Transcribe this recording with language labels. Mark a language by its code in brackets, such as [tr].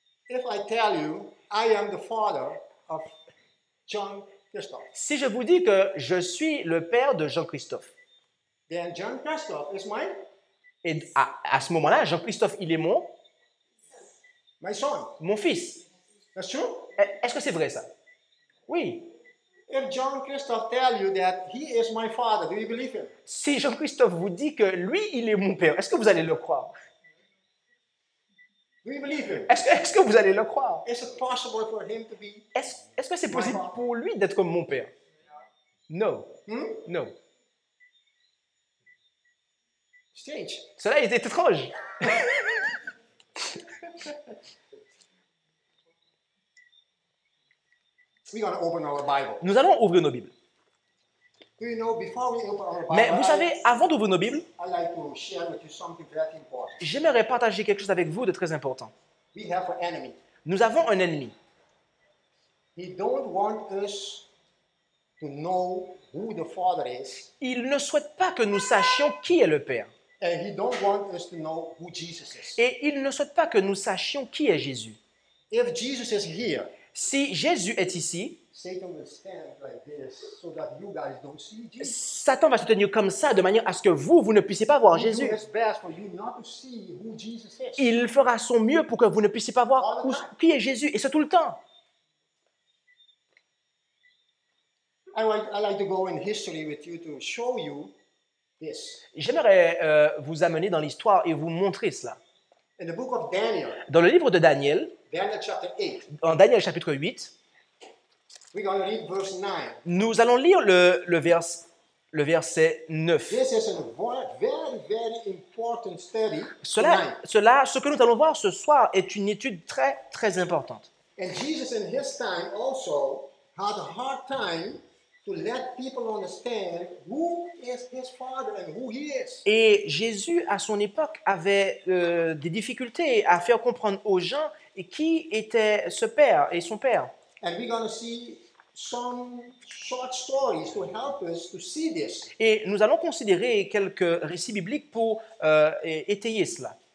[en] If I tell you, I am the father of John Christophe. [fr] Si je vous dis que je suis le père de Jean-Christophe. [en] Then John Christophe is mine. [fr] Et à ce moment-là, Jean-Christophe, il est mon? [en] My son. [fr] Mon fils. [en] That's true? [fr] Est-ce que c'est vrai ça? Oui. [en] If John Christophe tell you that he is my father, do you believe him? [fr] Si Jean Christophe vous dit que lui il est mon père, est-ce que vous allez le croire? [en] Do you believe him? [fr] Est-ce que vous allez le croire? [en] Is it possible for him to be? [fr] Est-ce que c'est possible pour lui d'être mon père? [en] No. No. Strange. [fr] Cela est étrange. [en] We're going to open our Bible. [fr] Nous allons ouvrir nos Bibles. [en] Do you know, before we open our Bible, [fr] mais vous savez, avant d'ouvrir nos Bibles, [en] I'd like to share with you something very important. [fr] J'aimerais partager quelque chose avec vous de très important. [en] We have an enemy. [fr] Nous avons un ennemi. [en] He don't want us to know who the Father is. [fr] Il ne souhaite pas que nous sachions qui est le Père. [en] And he don't want us to know who Jesus is. [fr] Et il ne souhaite pas que nous sachions qui est Jésus. [en] If Jesus is here, [fr] si Jésus est ici, [en] Satan will stand like this so that you guys don't see Jesus. [fr] Satan va se tenir comme ça de manière à ce que vous ne puissiez pas voir Jésus. [en] He'll do his best for you not to see who Jesus is. [fr] Il fera son mieux pour que vous ne puissiez pas voir qui est Jésus, et ce tout le temps. [en] I'd like to go in history with you to show you this. [fr] J'aimerais vous amener dans l'histoire et vous montrer cela. [en] In the book of Daniel, [fr] dans le livre de Daniel, Daniel, en Daniel chapitre 8, [en] we're gonna read verse 9. [fr] Nous allons lire le verset 9. [en] This is a very, very important study. [fr] Ce que nous allons voir ce soir est une étude très, très importante. [en] And Jesus in his time also had a hard time to let people understand who is his father and who he is. [fr] Et Jésus, à son époque, avait des difficultés à faire comprendre aux gens et qui était ce père et son père. [en] And we're going to see some short stories to help us to see this. [fr] Et nous allons considérer quelques récits bibliques pour étayer cela.